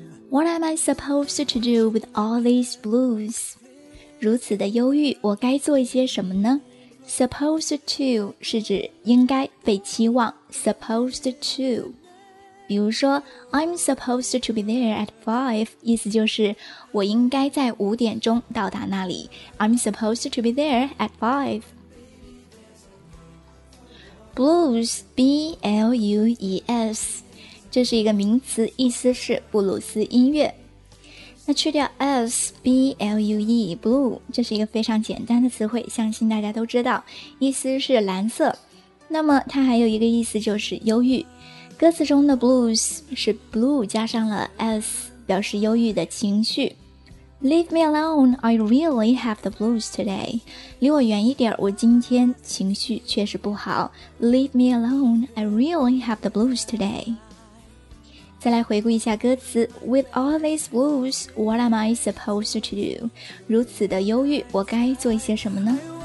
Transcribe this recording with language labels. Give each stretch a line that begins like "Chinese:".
English: What am I supposed to do with all these blues?
Chinese: 如此的忧郁，我该做一些什么呢？ Supposed to 是指应该被期望， supposed to。比如说
English: I'm supposed to be there at 5,
Chinese: 意思就是我应该在五点钟到达那里， I'm supposed to be there at 5。 Blues, B-L-U-E-S,这是一个名词，意思是布鲁斯音乐。那去掉 s b l u e blue， 这是一个非常简单的词汇，相信大家都知道，意思是蓝色。那么它还有一个意思就是忧郁。歌词中的 blues 是 blue 加上了 s， 表示忧郁的情绪。
English: Leave me alone, I really have the blues today.
Chinese: 离我远一点，我今天情绪确实不好。
English: Leave me alone, I really have the blues today.
Chinese: 再来回顾一下歌词
English: With all these blues, what am I supposed to do?
Chinese: 如此的忧郁，我该做一些什么呢？